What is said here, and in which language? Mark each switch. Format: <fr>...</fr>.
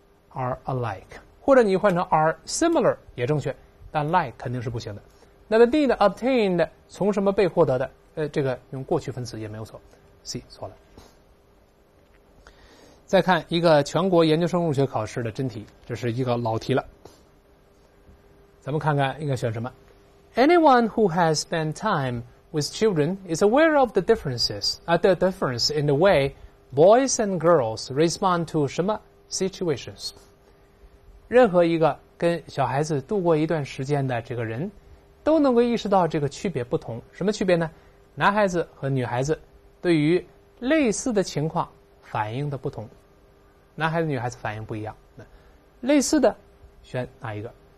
<en>are alike,</en> <zh>或者你换成</zh> <en>are similar</en> <zh>也正确，但 like 肯定是不行的。那么 D 的 obtained 从什么被获得的，这个用过去分词也没有错， C 错了。再看一个全国研究生入学考试的真题，这是一个老题了，咱们看看应该选什么。</zh> <en>Anyone who has spent time with children is aware of the differences, the difference in the way boys and girls respond to</en> <zh>什么</zh> <en>situations。</en> <zh>任何一个跟小孩子度过一段时间的这个人都能够意识到这个区别不同，什么区别呢？男孩子和女孩子对于类似的情况反应的不同，男孩子女孩子反应不一样，类似的选哪一个？</zh>